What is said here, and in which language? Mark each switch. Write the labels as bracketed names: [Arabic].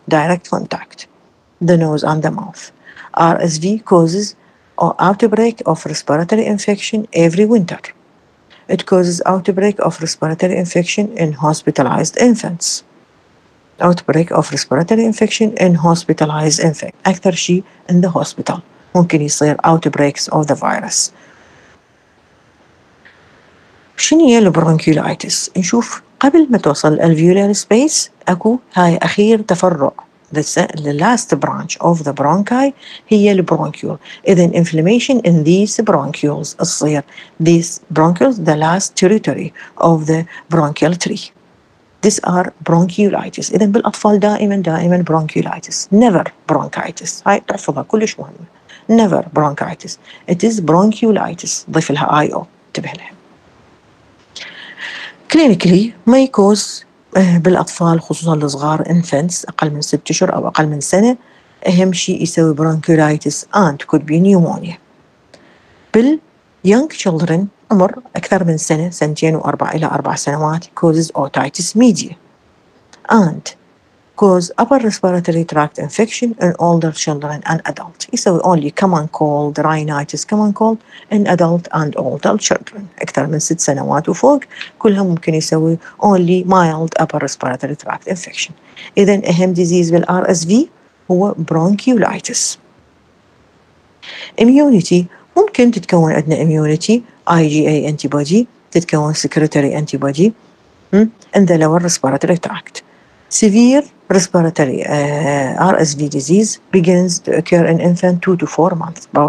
[English] Direct contact, the nose and the mouth. RSV causes an outbreak of respiratory infection every winter. It causes outbreak of respiratory infection in hospitalized infants. Outbreak of respiratory infection in hospitalized infants. [Arabic] أكثر شيء [English] in the hospital. [Arabic] ممكن يصير [English] outbreaks of the virus. [Arabic] شنو هي البرونكيولايتس؟ نشوف قبل ما توصل الالفيولار سبيس اكو هاي اخير تفرع [English] the last branch of the bronchi [Arabic] هي البرونكيول. اذا [English] inflammation in these bronchioles [Arabic] تصير [English] these bronchioles the last territory of the bronchial tree. These are bronchiolitis. [Arabic] اذا بالاطفال دائما [English] bronchiolitis never bronchitis. [Arabic] هاي تحفظها كلش مهمه [English] never bronchitis it is bronchiolitis [Arabic] ضيف لها اي او انتبه لها. [English] Clinically, may cause [Arabic] بالأطفال خصوصا الصغار infants أقل من 6 أشهر أو أقل من سنة أهم شيء يسوي [English] bronchiolitis and could be pneumonia. [Arabic] بال young children عمر أكثر من سنة سنتين وأربع إلى أربع سنوات [English] causes otitis media and cause upper respiratory tract infection in older children and adults. It's only common cold, rhinitis common cold in adult and older children. [Arabic] أكثر من ست سنوات وفوق كلهم ممكن يسوي [English] only mild upper respiratory tract infection. [Arabic] إذن أهم [English] disease [Arabic] بالRSV هو bronchiolitis. [English] Immunity [Arabic] ممكن تتكون عندنا [English] immunity IgA antibody [Arabic] تتكون [English] secretory antibody in the lower respiratory tract. Severe respiratory RSV disease begins to occur in infant 2 to 4 months.